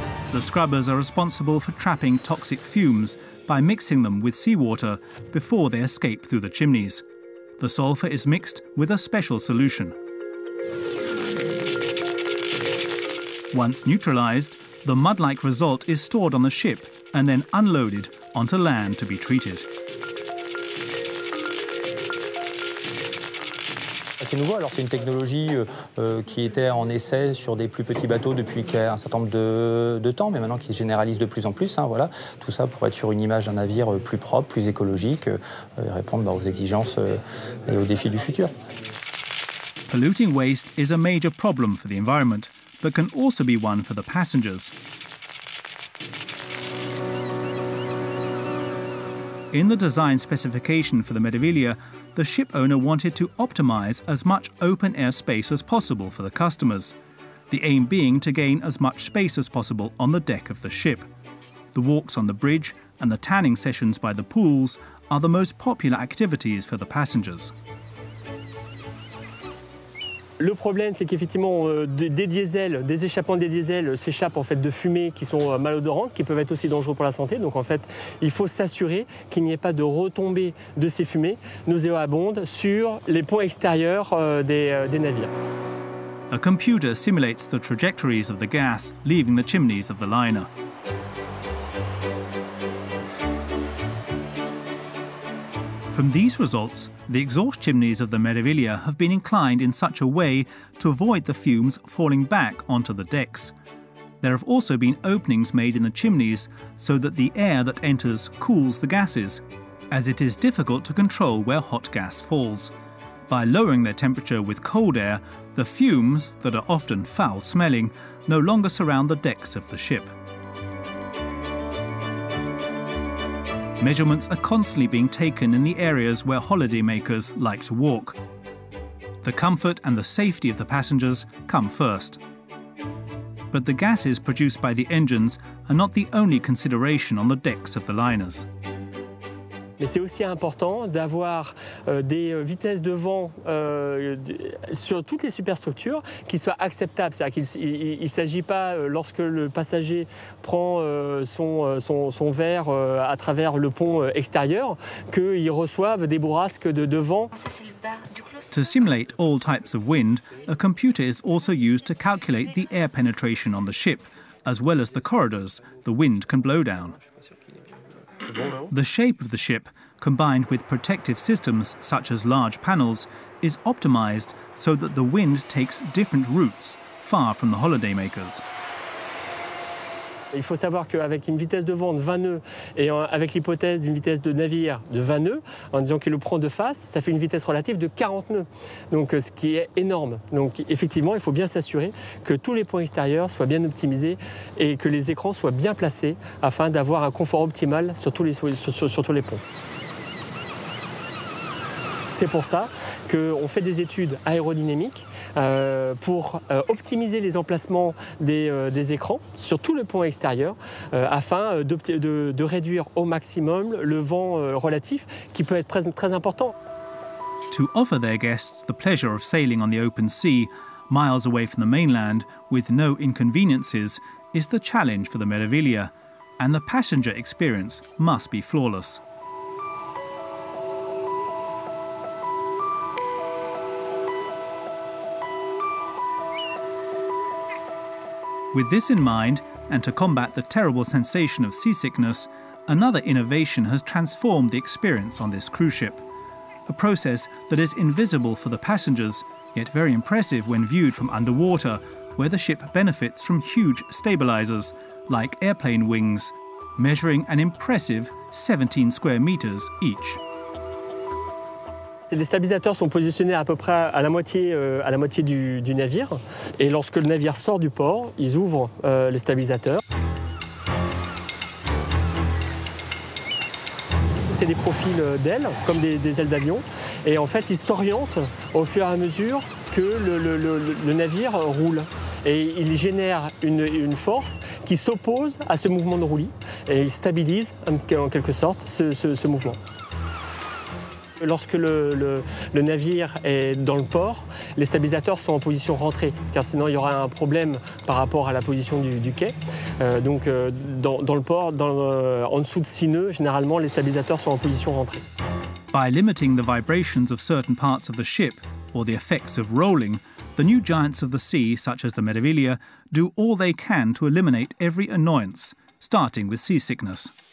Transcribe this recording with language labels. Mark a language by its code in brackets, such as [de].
[en] The scrubbers are responsible for trapping toxic fumes by mixing them with seawater before they escape through the chimneys. The sulfur is mixed with a special solution. Once neutralized, the mud-like result is stored on the ship and then unloaded onto land to be treated. [fr] assez nouveau. Alors c'est une technologie qui était en essai sur des plus petits bateaux depuis un certain nombre de temps, mais maintenant qui se généralise de plus en plus. Hein, voilà, tout ça pour être sur une image d'un navire plus propre, plus écologique, et répondre aux exigences et aux défis du futur. [en] Polluting waste is a major problem for the environment, but can also be one for the passengers. In the design specification for the Meraviglia, the ship owner wanted to optimize as much open air space as possible for the customers, the aim being to gain as much space as possible on the deck of the ship. The walks on the bridge and the tanning sessions by the pools are the most popular activities for the passengers. [fr] Le problème, c'est qu'effectivement, des diesels, des échappements des diesels s'échappent en fait de fumées qui sont malodorantes, qui peuvent être aussi dangereuses pour la santé. Donc en fait, il faut s'assurer qu'il n'y ait pas de retombée de ces fumées nauséabondes sur les ponts extérieurs des navires. [en] A computer simulates the trajectories of the gas leaving the chimneys of the liner. From these results, the exhaust chimneys of the Meraviglia have been inclined in such a way to avoid the fumes falling back onto the decks. There have also been openings made in the chimneys so that the air that enters cools the gases, as it is difficult to control where hot gas falls. By lowering their temperature with cold air, the fumes, that are often foul-smelling, no longer surround the decks of the ship. Measurements are constantly being taken in the areas where holidaymakers like to walk. The comfort and the safety of the passengers come first. But the gases produced by the engines are not the only consideration on the decks of the liners. [fr] Mais c'est aussi important d'avoir des vitesses de vent sur toutes les superstructures qui soient acceptables. C'est-à-dire qu'il ne s'agit pas, lorsque le passager prend son verre à travers le pont extérieur, qu'il reçoive des bourrasques de vent. [en] To simulate all types of wind, a computer is also used to calculate the air penetration on the ship, as well as the corridors the wind can blow down. The shape of the ship, combined with protective systems such as large panels, is optimized so that the wind takes different routes far from the holidaymakers. [fr] Il faut savoir qu'avec une vitesse de vent de 20 nœuds et avec l'hypothèse d'une vitesse de navire de 20 nœuds, en disant qu'il le prend de face, ça fait une vitesse relative de 40 nœuds, donc ce qui est énorme. Donc effectivement, il faut bien s'assurer que tous les points extérieurs soient bien optimisés et que les écrans soient bien placés afin d'avoir un confort optimal sur tous les ponts. C'est pour ça qu'on fait des études aérodynamiques pour optimiser les emplacements des écrans sur tout le pont extérieur afin de réduire au maximum le vent relatif qui peut être très important. [en] To offer their guests the pleasure of sailing on the open sea, miles away from the mainland, with no inconveniences, is the challenge for the Meraviglia. And the passenger experience must be flawless. With this in mind, and to combat the terrible sensation of seasickness, another innovation has transformed the experience on this cruise ship. A process that is invisible for the passengers, yet very impressive when viewed from underwater, where the ship benefits from huge stabilizers, like airplane wings, measuring an impressive 17 square meters each. [fr] Les stabilisateurs sont positionnés à peu près à la moitié du navire. Et lorsque le navire sort du port, ils ouvrent les stabilisateurs. C'est des profils d'ailes, comme des ailes d'avion. Et en fait, ils s'orientent au fur et à mesure que le navire roule. Et ils génèrent une force qui s'oppose à ce mouvement de roulis. Et ils stabilisent, en quelque sorte, ce mouvement. Lorsque le navire est dans le port, les stabilisateurs sont en position rentrée, car sinon il y aura un problème par rapport à la position du quai. Donc dans le port, en dessous de 6 nœuds, généralement les stabilisateurs sont en position rentrée. [en] By limiting the vibrations of certain parts of the ship, or the effects of rolling, the new giants of the sea, such as the Meraviglia, do all they can to eliminate every annoyance, starting with seasickness.